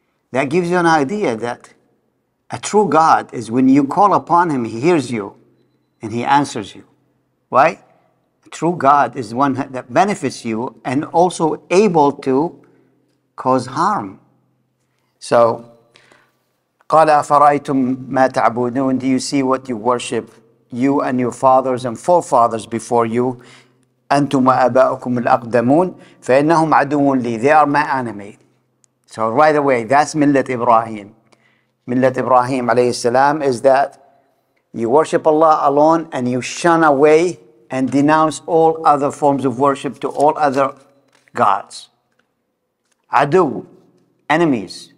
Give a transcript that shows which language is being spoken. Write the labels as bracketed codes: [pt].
[en] That gives you an idea that a true God is when you call upon him, he hears you and he answers you. Right? A true God is one that benefits you and also able to cause harm. [ar] So, قال أفرأيتم ما تعبدون. [en] Do you see what you worship, you and your fathers and forefathers before you? [ar] أنتم وأباؤكم الأقدمون فإنهم عدو لي. [en] They are my enemy. So right away, that's millat Ibrahim. Millat Ibrahim alayhi salam is that you worship Allah alone and you shun away and denounce all other forms of worship to all other gods. [ar] عدو, enemies.